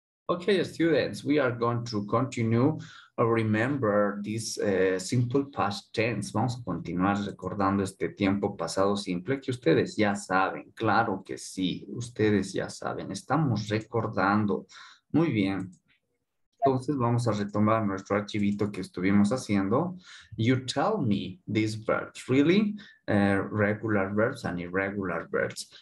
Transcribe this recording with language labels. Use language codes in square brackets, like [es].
[en] Okay, students, we are going to continue or remember this simple past tense. [es] Vamos a continuar recordando este tiempo pasado simple que ustedes ya saben. Claro que sí, ustedes ya saben. Estamos recordando. Muy bien. Entonces vamos a retomar nuestro archivito que estuvimos haciendo. [en] You tell me these verbs, really? Regular verbs and irregular verbs.